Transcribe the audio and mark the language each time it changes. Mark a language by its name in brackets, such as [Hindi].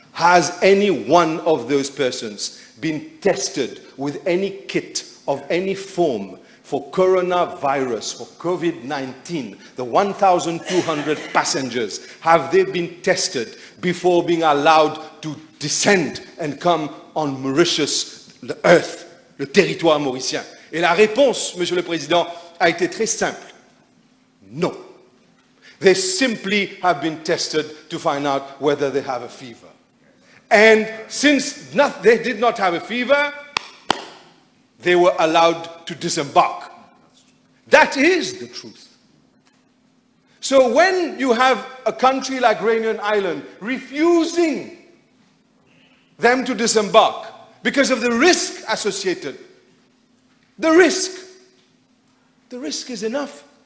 [English] Has any one of those persons been tested with any kit of any form for coronavirus, for COVID-19, the 1,200 passengers, have they been tested before being allowed to descend and come on Mauritius, the earth? [French] Le territoire mauricien. Et la réponse, Monsieur le Président, a été très simple. Non. [English] They simply have been tested to find out whether they have a fever. And since they did not have a fever, they were allowed to disembark. That is the truth. So when you have a country like Réunion Island refusing them to disembark, because of the risk associated. The risk. The risk is enough.